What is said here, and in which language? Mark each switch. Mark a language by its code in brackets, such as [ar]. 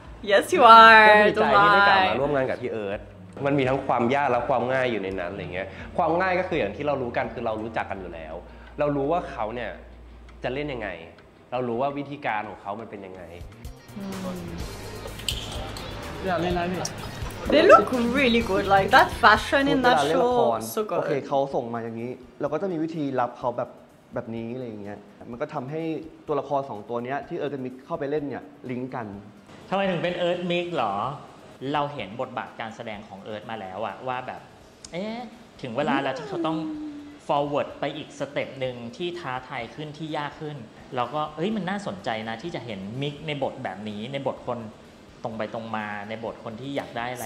[en] Yes you are [th] ดีใจที่ได้กลับมาร่วมงานกับพี่เอิร์ธมันมีทั้งความยากและความง่ายอยู่ในนั้นอะไรเงี้ยความง่ายก็คืออย่างที่เรารู้กันคือเรารู้จักกันอยู่แล้วเรารู้ว่าเขาเนี่ยจะเล่นยังไงเรารู้ว่าวิธีการของเขามันเป็นยังไง เดี๋ยวเล่นอะไรดี [en] They look really good like that fashion in that show so good [th] โอเคเขาส่งมาอย่างนี้เราก็จะมีวิธีรับเขาแบบนี้อะไรอย่างเงี้ยมันก็ทำให้ตัวละคร2ตัวเนี้ยที่เอิร์ธมิกเข้าไปเล่นเนี่ยลิงก์กัน ทำไมถึงเป็นเอิร์ธมิกเหรอเราเห็นบทบาทการแสดงของเอิร์ธมาแล้วอะว่าแบบเอ๊ะถึงเวลาแล้วที่เขาต้องforward ไปอีกสเต็ปนึงที่ท้าทายขึ้นที่ยากขึ้นเราก็เอ้ยมันน่าสนใจนะที่จะเห็นมิกในบทแบบนี้ในบทคนตรงไปตรงมาในบทคนที่อยากได้อะไร